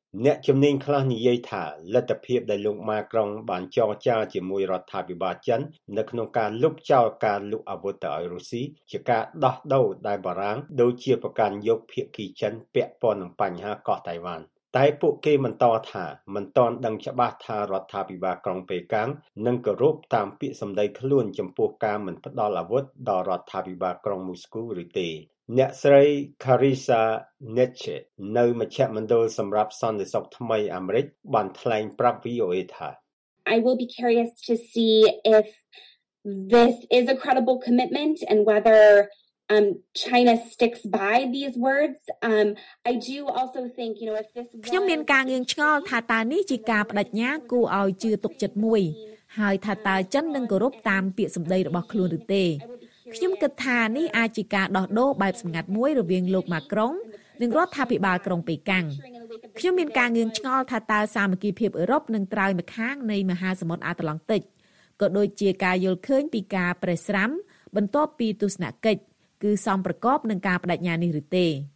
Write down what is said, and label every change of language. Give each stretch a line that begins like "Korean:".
Khmer: អ្នកជំនាញខ្លះនិយាយថាលទ្ធភាពដែលលោកម៉ាក្រុងបានចរចាជាមួយរដ្ឋាភិបាលចិននៅក្នុងការលុបចោលការលក់អាវុធទៅឲ្យរុស្ស៊ីជាការដោះដូរដែលបារាំងដូចជាប្រកាន់យកភាគីចិនពាក់ព័ន្ធនឹងបញ្ហាកោះតៃវ៉ាន់តែពួកគេបន្តថាមិនទាន់ដឹងច្បាស់ថារដ្ឋាភិបាលក្រុងប៉េកាំង នឹងគោរពតាមពាក្យសម្ដីខ្លួនចំពោះការមិនផ្ដល់អាវុធដល់រដ្ឋាភិបាលក្រុងមូស្គូឬទេអ្នកស្រី Carissa Netche នៅមជ្ឈមណ្ឌលសម្រាប់សន្តិសុខថ្មីអាមេរិកបានថ្លែងប្រាប់ VOA ថា
English: I will be curious to see if this is a credible commitment and whetherChina sticks by these words. I do also think, you know, if this
Khmer: ខ្ញុំមានការងឿងឆ្ងល់ថាតើនេះជាការបដិញ្ញាគួរឲ្យជឿទុកចិត្តមួយហើយថាតើចិននឹងគោរពតាមពាក្យសម្ដីរបស់ខ្លួនឬទេខ្ញុំគិតថានេះអាចជាការដោះដូរបែបសម្ងាត់មួយរវាងលោកម៉ាក្រុងនិងរដ្ឋាភិបាលក្រុងប៉េកាំងខ្ញុំមានការងឿងឆ្ងល់ថាតើសាមគ្គីភាពអឺរ៉ុបនឹងត្រូវម្ខាងនៃមហាសមុទ្រអាត្លង់ទិកក៏ដូចជាការយល់ឃើញពីការប្រេះស្រាំបន្ទាប់ពីទស្សនកិច្ចគឺសំប្រកបនឹងការបដិញ្ញានេះឬទេ